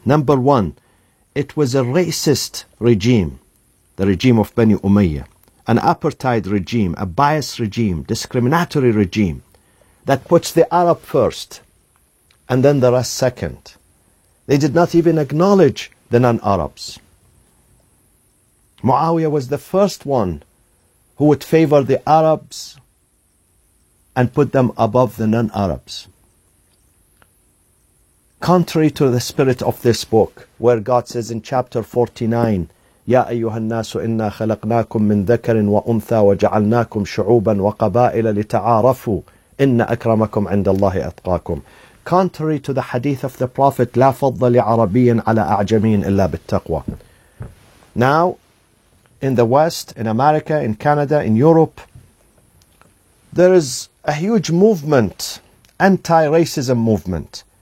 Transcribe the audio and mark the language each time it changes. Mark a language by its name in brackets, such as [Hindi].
[English] Number one, it was a racist regime, the regime of Bani Umayyah, an apartheid regime, a biased regime, discriminatory regime that puts the Arab first and then the rest second. They did not even acknowledge the non-Arabs. Muawiyah was the first one who would favor the Arabs and put them above the non-Arabs. Contrary to the spirit of this book, where God says in chapter 49, [Arabic] يَا أَيُّهَا النَّاسُ إِنَّا خَلَقْنَاكُمْ مِنْ ذَكَرٍ وَأُنْثَى وَجَعَلْنَاكُمْ شُعُوبًا وَقَبَائِلَ لِتَعَارَفُوا إِنَّ أَكْرَمَكُمْ عِنْدَ اللَّهِ أَتْقَاكُمْ. [English] Contrary to the hadith of the Prophet, [Arabic] لَا فَضَّ لِعَرَبِيٍ عَلَىٰ أَعْجَمِينَ إِلَّا بِالتَّقْوَى. [English] Now, in the West, in America, in Canada, in Europe, there is a huge movement, anti-racism movement.